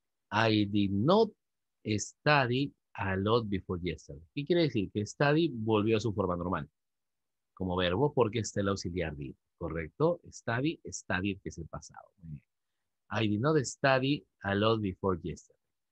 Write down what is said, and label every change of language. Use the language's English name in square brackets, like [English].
[English] I did not study a lot before yesterday. [Spanish] ¿Qué quiere decir? Que study volvió a su forma normal como verbo, porque está el auxiliar did, ¿correcto? Study, que es el pasado. [English] I did not study a lot before yesterday.